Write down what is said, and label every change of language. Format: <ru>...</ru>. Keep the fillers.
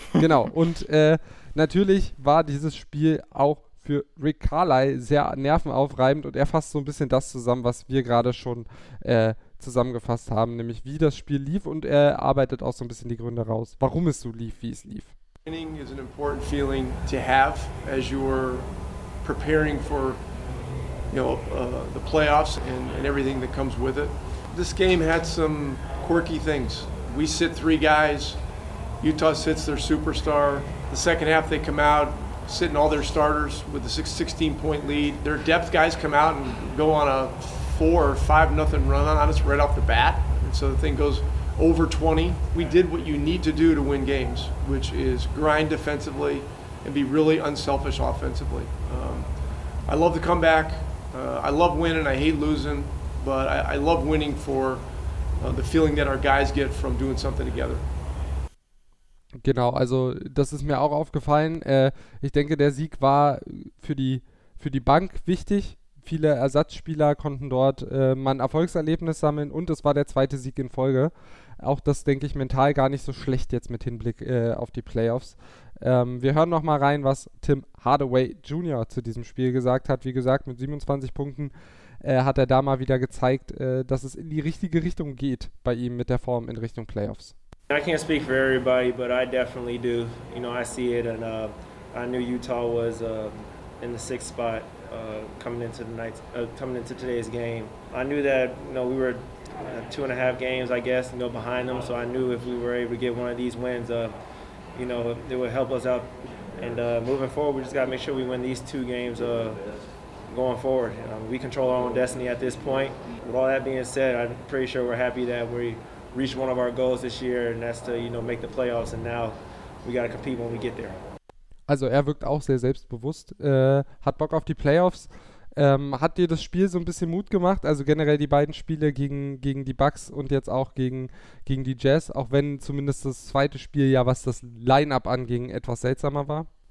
<de>Genau, und äh, natürlich war dieses Spiel auch für Rick Carly sehr nervenaufreibend und er fasst so ein bisschen das zusammen, was wir gerade schon äh, zusammengefasst haben, nämlich wie das Spiel lief und er arbeitet auch so ein bisschen die Gründe raus, warum es so lief, wie es lief.</de> <en>Winning is an important feeling to have as preparing for you know uh, the playoffs and, and, everything that comes with it. This game had some quirky things. We sit three guys. Utah sits their superstar. The second half they come out sit in all their starters with a six, 16 point lead. Their depth guys come out and go on a four or five nothing run on us right off the bat. And so the thing goes over 20. We did what you need to do to win games, which is grind defensively. and be really unselfish offensively. Um, I love the comeback. Uh, I love winning. I hate losing, but I, I love winning for uh, the feeling that our guys get from doing something together.</en> <de>Genau, also das ist mir auch aufgefallen. Äh, ich denke, der Sieg war für die, für die Bank wichtig. Viele Ersatzspieler konnten dort äh, Erfolgserlebnis sammeln und es war der zweite Sieg in Folge. Auch das denke ich mental gar nicht so schlecht jetzt mit Hinblick äh, auf die Playoffs. Ähm, wir hören noch mal rein, was Tim Hardaway Jr. zu diesem Spiel gesagt hat. Wie gesagt, mit 27 Punkten äh, hat er da mal wieder gezeigt, äh, dass es in die richtige Richtung geht bei ihm mit der Form in Richtung Playoffs.</de> <en>I can't speak for everybody, but I definitely do. You know, I see it, and uh, I knew Utah was, uh, in the sixth spot uh, coming into the uh, game. I knew that you know we games, I guess, you know, behind them. So I knew if we were able to you know, it will help us out. And uh, moving forward, we just got to make sure we win these two games uh, going forward. Uh, we control our own destiny at this point. With all that being said, I'm pretty sure we're happy that we reached one of our goals this year, and that's to, you know, make the playoffs. And now we got to compete when we get there.</en> <de>Also, er wirkt auch sehr selbstbewusst, äh, hat Bock auf die Playoffs. hat dir das Spiel so ein bisschen Mut gemacht? Also generell die beiden Spiele gegen, gegen die Bucks und jetzt auch gegen, gegen die Jazz, auch wenn zumindest das zweite Spiel ja, was das Line-up anging, etwas seltsamer war?</de>